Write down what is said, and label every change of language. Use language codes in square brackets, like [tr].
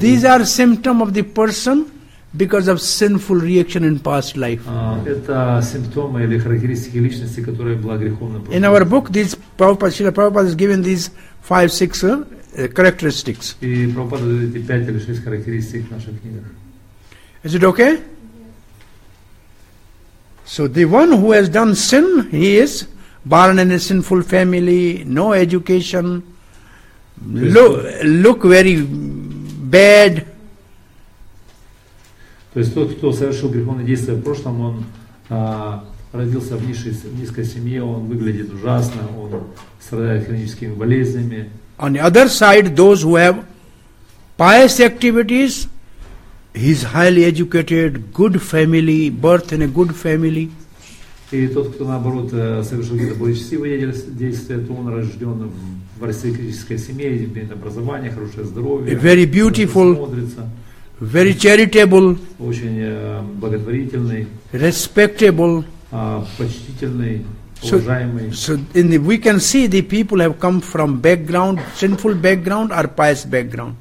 [en] These are symptoms of the person because of sinful reaction in past life. [ru] Это симптомы или характеристики личности, которая была греховна. [en] In our book, this Srila Prabhupada has given these 5-6 characteristics. [ru] И Прабхупада дает 5 или 6 характеристик в наших книгах. [en] Is it okay? So the one who has done sin, he is born in a sinful family, no education, look very bad. [ru] То есть тот, кто совершил греховные действия в прошлом, он родился в низкой семье, он выглядит ужасно, он страдает хроническими болезнями. [en] On the other side, those who have pious activities, he is highly educated, good family, birth in a good family. [ru] И тот, кто наоборот совершил какие-то благочестивые действия, то он рожден в аристократической семье, имеет образование, хорошее здоровье. [en] Very beautiful, very charitable, [ru] очень благотворительный, [en] respectable, [ru] почтительный, уважаемый. [en] So we can see the people have come from background, sinful background or pious background.